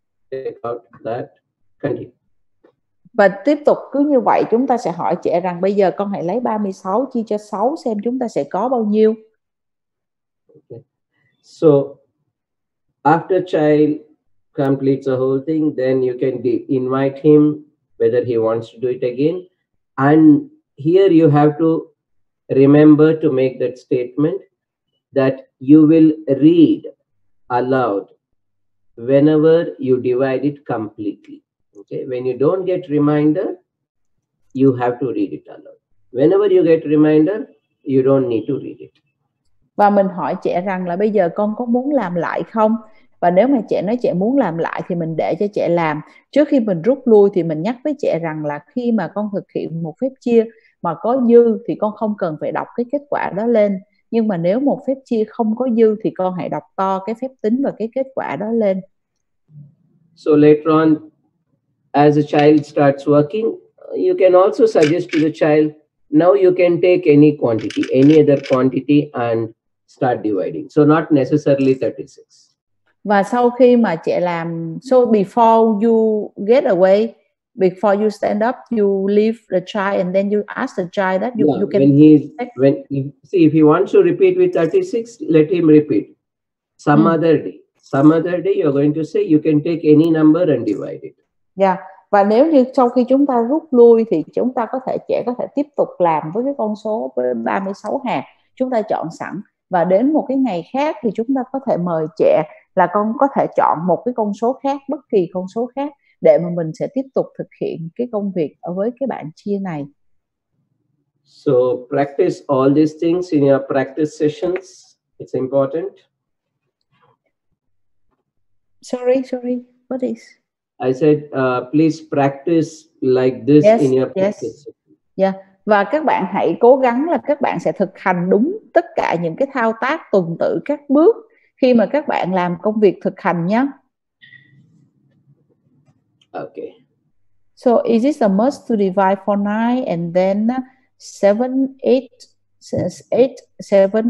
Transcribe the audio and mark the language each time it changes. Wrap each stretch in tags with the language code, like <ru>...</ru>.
<en>Take out that. Continue.</en> <vi>Và tiếp tục cứ như vậy chúng ta sẽ hỏi trẻ rằng bây giờ con hãy lấy 36 chia cho 6 xem chúng ta sẽ có bao nhiêu.</vi> <en>Okay. So after child completes the whole thing, then you can invite him whether he wants to do it again. And here you have to remember to make that statement that you will read aloud whenever you divide it completely. Okay, when you don't get reminder, you have to read it aloud. Whenever you get reminder, you don't need to read it.</en> <vi>Và mình hỏi trẻ rằng là bây giờ con có muốn làm lại không? Và nếu mà trẻ nói trẻ muốn làm lại thì mình để cho trẻ làm. Trước khi mình rút lui thì mình nhắc với trẻ rằng là khi mà con thực hiện một phép chia mà có dư thì con không cần phải đọc cái kết quả đó lên. Nhưng mà nếu một phép chia không có dư thì con hãy đọc to cái phép tính và cái kết quả đó lên.</vi> <en>So later on, as a child starts working, you can also suggest to the child, now you can take any quantity, any other quantity and start dividing. So not necessarily 36.</en> <vi>Và sau khi mà trẻ làm,</vi> <en>so before you get away, before you stand up, you leave the child and then you ask the child that you, yeah, When he, when he, see, if he wants to repeat with 36, let him repeat. Some other day. Some other day you're going to say you can take any number and divide it. Yeah.</en> <vi>Và nếu như sau khi chúng ta rút lui thì chúng ta có thể, trẻ có thể tiếp tục làm với cái con số với 36 hạt chúng ta chọn sẵn. Và đến một cái ngày khác thì chúng ta có thể mời trẻ là con có thể chọn một cái con số khác, bất kỳ con số khác, để mà mình sẽ tiếp tục thực hiện cái công việc ở với cái bạn chia này.</vi> <en>So practice all these things in your practice sessions. It's important. Sorry. What is? I said, please practice like this, yes, in your practice. Yes. Yeah.</en> <vi>Và các bạn hãy cố gắng là các bạn sẽ thực hành đúng tất cả những cái thao tác tuần tự các bước khi mà các bạn làm công việc thực hành nhé.</vi> <en>Okay. So is it a must to divide for 9 and then 7, 8, 7, 6?</en>